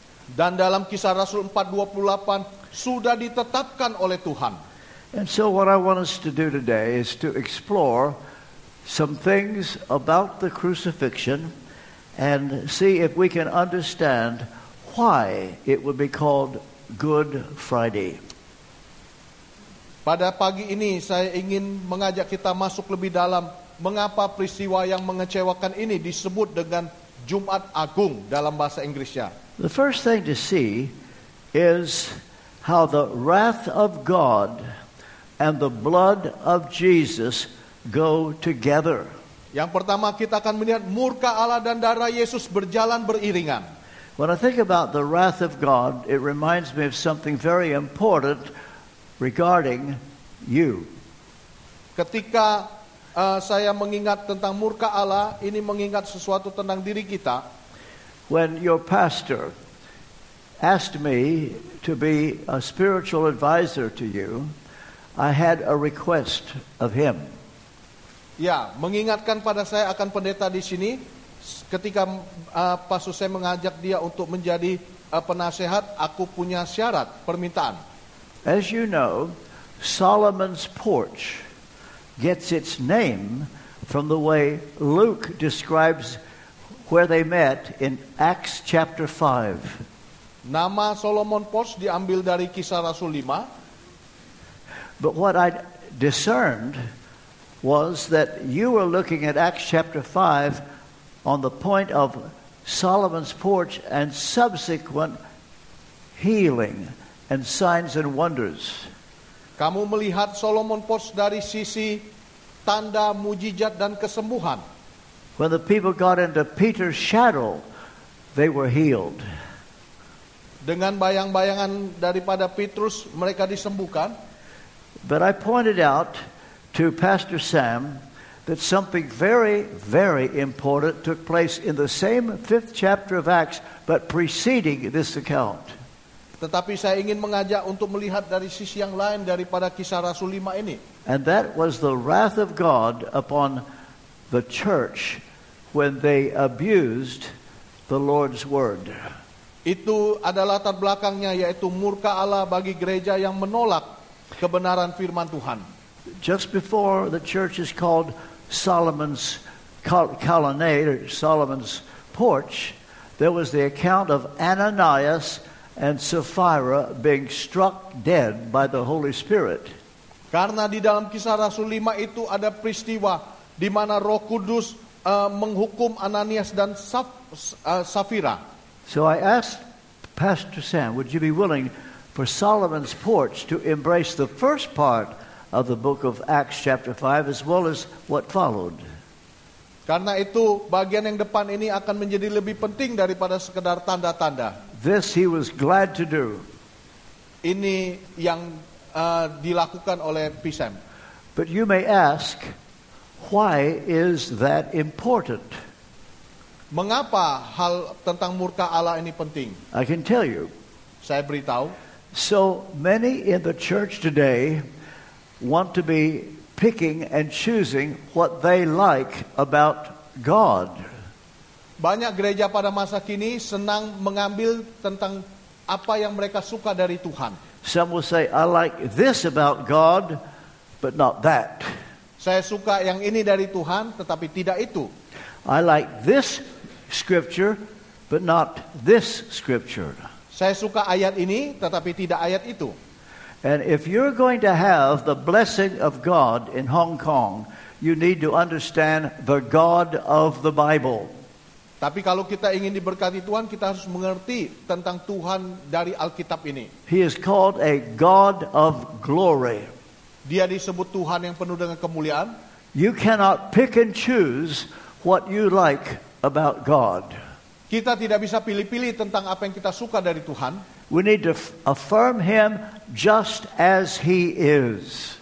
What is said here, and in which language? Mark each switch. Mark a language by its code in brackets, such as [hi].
[id] Dan dalam Kisah Rasul 4:28, sudah ditetapkan oleh Tuhan. [en] And so what I want us to do today is to explore some things about the crucifixion and see if we can understand why it would be called Good Friday. [id] Pada pagi ini saya ingin mengajak kita masuk lebih dalam mengapa peristiwa yang mengecewakan ini disebut dengan Jumat Agung dalam bahasa Inggrisnya. [en] The first thing to see is how the wrath of God and the blood of Jesus go together. [id] Yang pertama kita akan melihat murka Allah dan darah Yesus berjalan beriringan. [en] When I think about the wrath of God, it reminds me of something very important regarding you. [id] Ketika saya mengingat tentang murka Allah, ini mengingat sesuatu tentang diri kita. [en] When your pastor asked me to be a spiritual advisor to you, I had a request of him. [id] Ya, mengingatkan pada saya akan pendeta di sini, ketika pastor saya mengajak dia untuk menjadi penasehat, aku punya syarat, permintaan. [en] As you know, Solomon's porch gets its name from the way Luke describes where they met in Acts chapter 5. [id] Nama Solomon Porch diambil dari Kisah Rasul 5. [en] But what I discerned was that you were looking at Acts chapter 5 on the point of Solomon's porch and subsequent healing and signs and wonders. [id] Kamu melihat Solomon's porch dari sisi tanda mujizat dan kesembuhan. [en] When the people got into Peter's shadow, they were healed. [id] Dengan bayang-bayangan daripada Petrus, mereka disembuhkan. [en] But I pointed out to Pastor Sam that something very, very important took place in the same fifth chapter of Acts, but preceding this account. [id] Tetapi saya ingin mengajak untuk melihat dari sisi yang lain daripada kisah Rasul 5 ini. [en] And that was the wrath of God upon the church when they abused the Lord's word. [id] Itu adalah latar belakangnya, yaitu murka Allah bagi gereja yang menolak kebenaran firman Tuhan. [en] Just before the church is called Solomon's Colonnade, or Solomon's Porch, there was the account of Ananias and Sapphira being struck dead by the Holy Spirit. [id] Karena di dalam kisah Rasul 5 itu ada peristiwa di mana Roh Kudus menghukum Ananias dan Sapphira. [en] So I asked Pastor Sam, would you be willing for Solomon's Porch to embrace the first part of the book of Acts chapter 5 as well as what followed? [id] Karena itu bagian yang depan ini akan menjadi lebih penting daripada sekedar tanda-tanda. [en] This he was glad to do. [id] Ini yang dilakukan oleh Pisam. [en] But you may ask, why is that important? [id] Mengapa hal tentang murka Allah ini penting? [en] I can tell you. [id] Saya beritahu. [en] So many in the church today want to be picking and choosing what they like about God. [id] Banyak gereja pada masa kini senang mengambil tentang apa yang mereka suka dari Tuhan. [en] Some will say, I like this about God, but not that. [id] Saya suka yang ini dari Tuhan, tetapi tidak itu. [en] I like this scripture, but not this scripture. [id] Saya suka ayat ini, tetapi tidak ayat itu. [en] And if you're going to have the blessing of God in Hong Kong, you need to understand the God of the Bible. [id] Tapi kalau kita ingin diberkati Tuhan, kita harus mengerti tentang Tuhan dari Alkitab ini. [en] He is called a God of glory. [id] Dia disebut Tuhan yang penuh dengan kemuliaan. [en] You cannot pick and choose what you like about God. [id] Kita tidak bisa pilih-pilih tentang apa yang kita suka dari Tuhan. [en] We need to affirm him just as he is.